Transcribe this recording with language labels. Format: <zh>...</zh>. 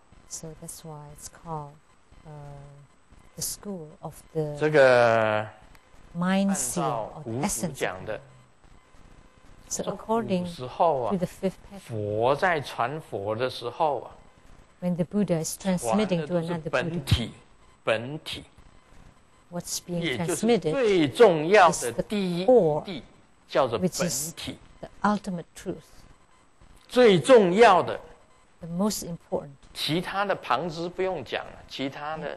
<en>so that's why it's called the school of the mind seal or the essence. So according to the fifth path,</en> <zh>佛在传佛的时候啊,</zh> <en>when the Buddha is transmitting to another Buddha,</en> <zh>本体,</zh> <en>what's being transmitted</en> <zh>也就是最重要的第一地,</zh> <en>is the core, which is the ultimate truth.</en> <zh>最重要的,</zh> <en>the most important.</en> <zh>其他的旁枝不用讲了, 其他的,</zh>